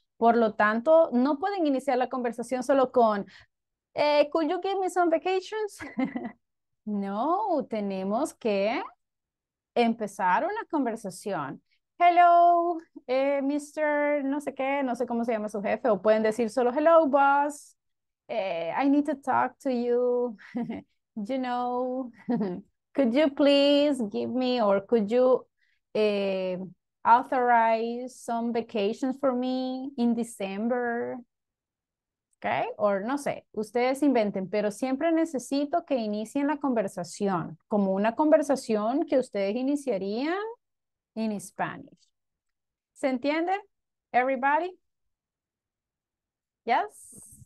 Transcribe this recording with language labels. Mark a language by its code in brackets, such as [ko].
[es] Por lo tanto, no pueden iniciar la conversación solo con [en] could you give me some vacations? [es] No, tenemos que empezar una conversación. [en] Hello, Mr. [es] No sé qué, no sé cómo se llama su jefe. O pueden decir solo, [en] hello, boss. I need to talk to you. You know, could you please give me or could you authorize some vacations for me in December? [es] Okay, or no sé, ustedes inventen, pero siempre necesito que inicien la conversación, como una conversación que ustedes iniciarían [en] in Spanish. [es] ¿Se entiende? [en] Everybody? Yes?